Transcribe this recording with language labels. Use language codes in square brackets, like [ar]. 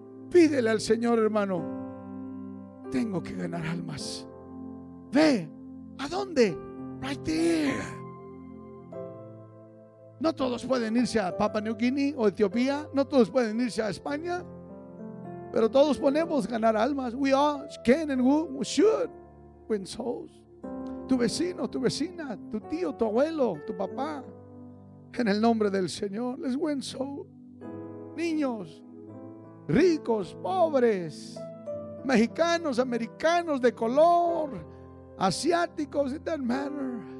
[es] Pídele al Señor, hermano: tengo que ganar almas. Ve. ¿A dónde? [en] Right there. [es] No todos pueden irse a Papua New Guinea o Etiopía. No todos pueden irse a España. Pero todos podemos ganar almas. [en] We all can and we should win souls. [es] Tu vecino, tu vecina, tu tío, tu abuelo, tu papá. En el nombre del Señor, les [en] win souls. [es] Niños, ricos, pobres, mexicanos, americanos, de color, asiáticos, [en] it doesn't matter.